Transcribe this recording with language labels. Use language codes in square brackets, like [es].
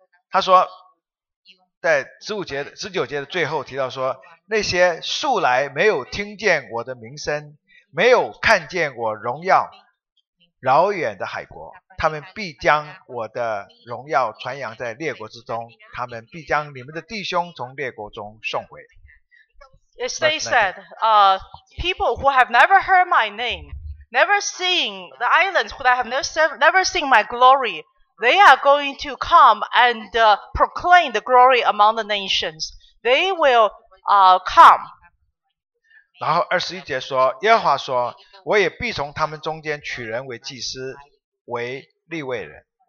[zh] 他说，在十九节的最后提到说，那些素来没有听见我的名声，没有看见我荣耀，饶远的海国，他们必将我的荣耀传扬在列国之中，他们必将你们的弟兄从列国中送回。 [en] They said, people who have never heard my name. Never seen the islands who I have never seen my glory. They are going to come and proclaim the glory among the nations. They will come. [zh] 然后二十一节说，耶和华说，我也必从他们中间取人为祭司，为利未人。